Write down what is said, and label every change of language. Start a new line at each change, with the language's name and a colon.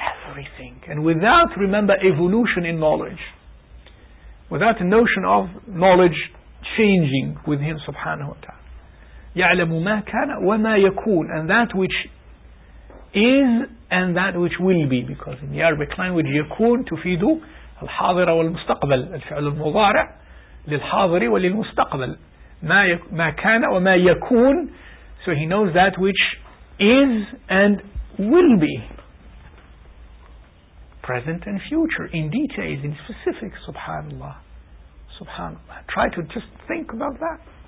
English: Everything. And without, remember, evolution in knowledge, without a notion of knowledge changing with Him, subhanahu wa ta'ala.
Arabic: يَعْلَمُ مَا كَانَ وَمَا يَكُونَ,
English: and that which is and that which will be. Because in the Arabic language,
Arabic: يكون تفيد الحاضر والمستقبل, الفعل المضارع للحاضر وللمستقبل. مَا كَانَ وَمَا يَكُونَ.
English: So he knows that which is and will be, present and future, in details, in specifics. Subhanallah, subhanallah. Try to just think about that.